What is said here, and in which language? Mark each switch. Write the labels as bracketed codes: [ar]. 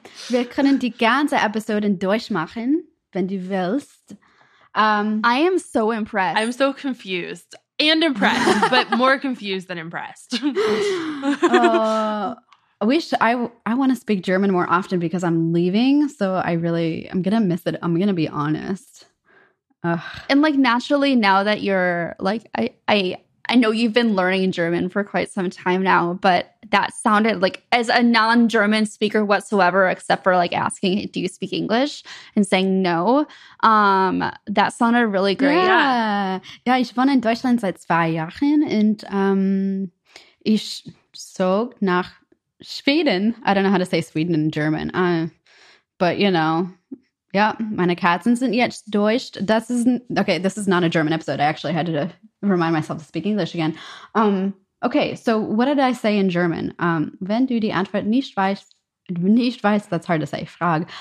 [de] Wir können die ganze Episode in Deutsch machen, wenn du willst. [en] I am so impressed. I'm so confused and impressed, but more confused than impressed. I want to speak German more often because I'm leaving. So I'm going to miss it. I'm going to be honest. And like naturally now that you're like, I know you've been learning German for quite some time now, but that sounded like, as a non-German speaker whatsoever, except for like asking, do you speak English? And saying no, that sounded really great. [de] Yeah, ich wohne in Deutschland seit 2 Jahren und ich zog nach Schweden. [en] I don't know how to say Sweden in German, but you know. Yeah, [de] meine Katzen sind jetzt Deutsch. [en] This is not a German episode. I actually had to remind myself to speak English again. Okay, so what did I say in German? [de] Wenn du die Antwort nicht weißt, [en] that's hard to say, [de] frag.